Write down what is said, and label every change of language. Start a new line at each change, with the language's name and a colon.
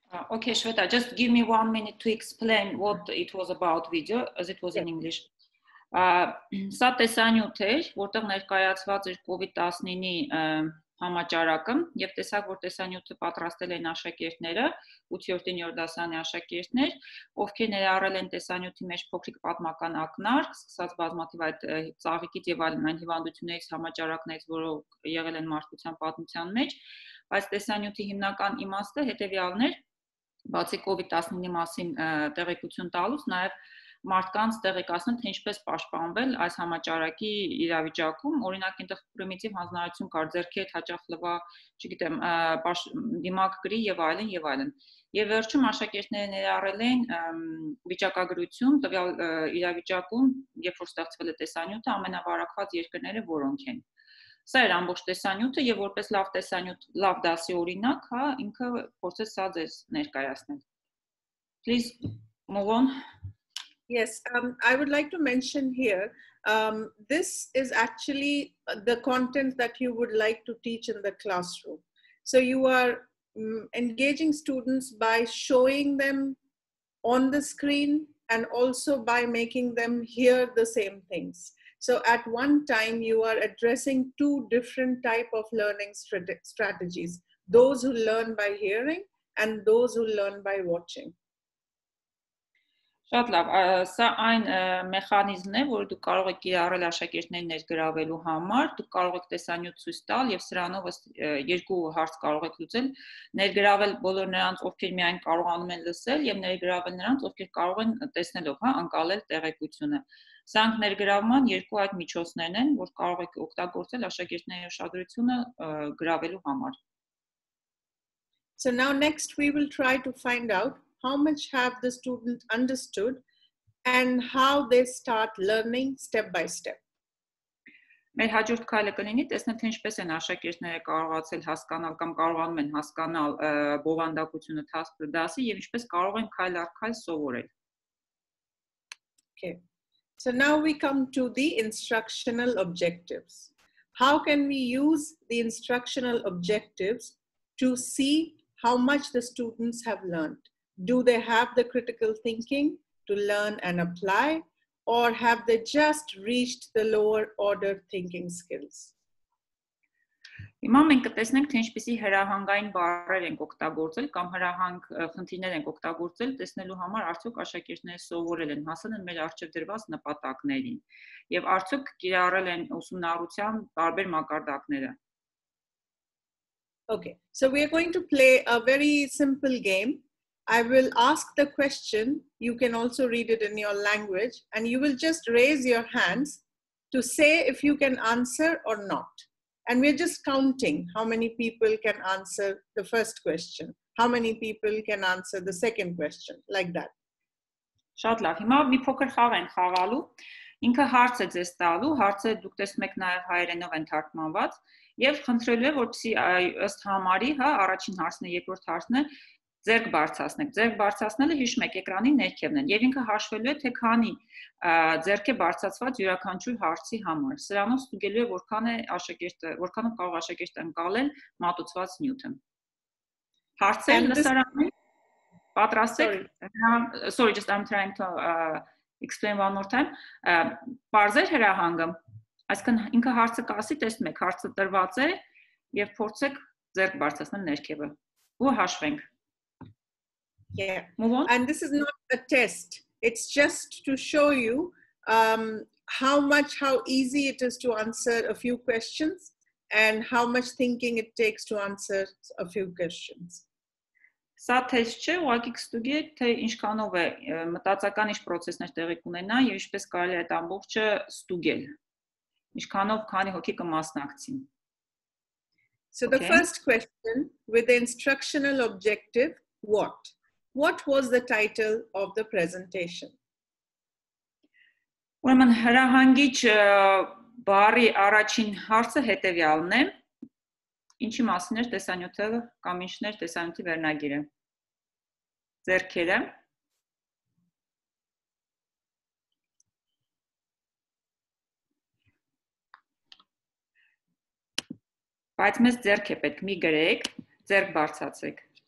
English: Okay, Shweta, just give me 1 minute to explain what it was about video, as it was in English.
Armenian: Սա տեսանյութ էր, որտեղ ներկայացված էր COVID-19-ի համաճարակը, եւ տեսակ, որ տեսանյութը պատրաստել են աշակերտները, 8-9 դասանի աշակերտներ, ովքեր ներառել են տեսանյութի մեջ փոքրիկ պատմական ակնարկ, սկսած բազմաթիվ այդ ծաղիկից եւ այլ նաեւ հիվանդություններից համաճարակներից, որոնք եղել են մարդկության պատմության մեջ, բայց տեսանյութի հիմնական իմաստը հետեւյալն էր. Բացի COVID-19-ի մասին տեղեկություն տալուց, նաև մարդկանց տեղեկացնել, թե ինչպես պաշտպանվել այս համաճարակի իրավիճակում, օրինակ այնտեղ պրիմիտիվ հանձնարարություն կար, ձեռքի հետ հաճախ լվա, չգիտեմ, դիմակ գրի եւ այլն եւ այլն։ Եվ վերջում աշակերտները ներառել էին վիճակագրություն տվյալ իրավիճակում, երբ որ ստացվել է տեսանյութը, ամենավարակված երկրները որոնք են։ Սա էր ամբողջ տեսանյութը եւ որպես լավ տեսանյութ, լավ դասի օրինակ, հա, ինքը փորձեց սա ձեզ ներկայացնել։
English: Please move on. Yes, I would like to mention here, this is actually the content that you would like to teach in the classroom. So you are engaging students by showing them on the screen and also by making them hear the same things. So at one time you are addressing two different type of learning strategies, those who learn by hearing and those who learn by watching.
Armenian: Շատ լավ, սա այն մեխանիզմն է, որ դու կարող ես իրարել աշակերտներին ներգրավելու համար, դու կարող ես տեսանյութ ցույց տալ եւ սրանով ես երկու հարց կարող ես լուծել՝ ներգրավել բոլոր նրանց, ովքեր միայն կարողանում են լսել եւ ներգրավել նրանց, ովքեր կարող են տեսնելով, հա, անկալել տեղեկությունը։ Սանք ներգրավման երկու այդ միջոցներն են, որ կարող եք օգտագործել աշակերտների ուշադրությունը գրավելու համար։
English: So now next we will try to find out how much have the student understood and how they start learning step by step.
Armenian: Մեր հաջորդ քայլը կլինի տեսնել, թե ինչպես են աշակերտները կարողացել հասկանալ կամ կարողանում են հասկանալ բովանդակությունը դասի եւ ինչպես կարող են քայլ առ քայլ սովորել։
English: Okay. So now we come to the instructional objectives. How can we use the instructional objectives to see how much the students have learned? Do they have the critical thinking to learn and apply, or have they just reached the lower order thinking skills?
Armenian: Հիմա մենք կտեսնենք, թե ինչպիսի հրահանգային բարեր ենք օգտագործել կամ հրահանգ խնդիրներ ենք օգտագործել տեսնելու համար, արդյոք աշակերտները սովորել են, հասել են մեր առաջ դրված նպատակներին եւ արդյոք կիրառել են ուսումնառության տարբեր մակարդակները։
English: Okay, so we are going to play a very simple game. I will ask the question, you can also read it in your language, and you will just raise your hands to say if you can answer or not. And we're just counting how many people can answer the first question, how many people can answer the second question, like that.
Armenian: Շատ լավ, հիմա մի փոքր խաղ են խաղալու, ինքը հարց է ձեզ տալու, հարցը դուք տեսնեք նաև հայերենով են թարգմանված, և խնդրելու է, որպեսի ըստ համարի, հա, առաջին հարցն է, երկրորդ հարցն է, ձերք բարձրացնեք, ձերք բարձրացնելը հիշմեք, էկրանի ներքևն են, և ինքը հաշվելու է, թե քանի ձերք է բարձրացված յուրաքանչյուր հարցի համար, սրանով ստուգելու է, որքան է աշակերտը, որքանով կարող աշակերտը ընկալել մատուցված նյութը։ Հարցեր լսարանում պատրաստ եք։
English: Sorry, just I'm trying to explain one more time.
Armenian: Պարզեր հրահանգը, այսինքն ինքը հարցը կասի, տեսնեք, հարցը տրված է, և փորձեք ձերք բարձրացնել ներքևը ու հաշվենք։
English: Yeah. Move on. And this is not a test. It's just to show you how easy it is to answer a few questions and how much thinking it takes to answer a few questions.
Armenian: Սա թեստ չէ, ուղղակի կստուգի եք, թե ինչքանով է մտածական ինչ process-ներ տեղի կունենա եւ ինչպես կարելի է այդ ամբողջը ստուգել։ Ինչքանով քանի հոգի կմասնակցին։
English: So the first question with the instructional objective, what? What was the title of the presentation?
Armenian: Ուրեմն հրահանգիչ բարի առաջին հարցը հետեւյալն է. Ինչի մասին էր տեսանյութը կամ ինչն էր տեսանյութի վերնագիրը։ Ձերքերը։ Բայց մեզ ձերք է պետք, մի գրեք, ձերք բարձացեք։